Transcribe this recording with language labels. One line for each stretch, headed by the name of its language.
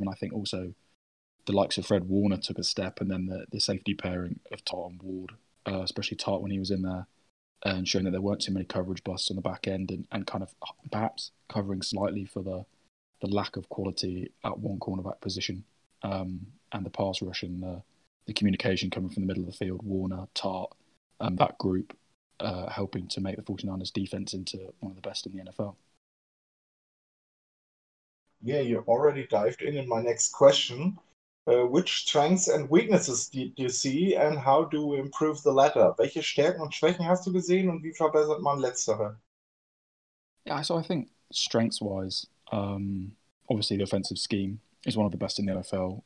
English: And I think also the likes of Fred Warner took a step, and then the safety pairing of Tart and Ward, especially Tart when he was in there, and showing that there weren't too many coverage busts on the back end, and kind of perhaps covering slightly for the lack of quality at one cornerback position, and the pass rush and the communication coming from the middle of the field, Warner, Tart, and that group helping to make the 49ers defense into one of the best in the NFL. Yeah, you already dived in my next question. Which strengths and weaknesses do you see, and how do we improve the latter?
German: Welche Stärken und Schwächen hast du gesehen, und wie verbessert man letztere?
English: Yeah, so I think strengths-wise, obviously the offensive scheme is one of the best in the NFL.